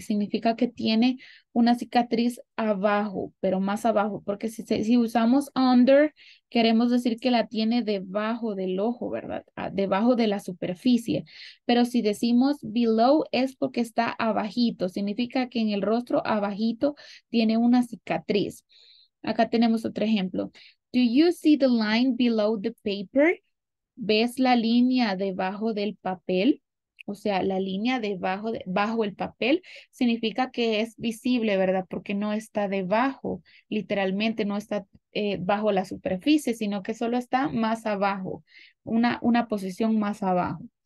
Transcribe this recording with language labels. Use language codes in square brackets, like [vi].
[es] Significa que tiene una cicatriz abajo, pero más abajo, porque si usamos under, queremos decir que la tiene debajo del ojo, ¿verdad? Debajo de la superficie. Pero si decimos below, es porque está abajito. Significa que en el rostro abajito tiene una cicatriz. Acá tenemos otro ejemplo. [en] Do you see the line below the paper? [es] ¿Ves la línea debajo del papel? O sea, la línea debajo bajo el papel significa que es visible, ¿verdad? Porque no está debajo, literalmente no está bajo la superficie, sino que solo está más abajo, una posición más abajo.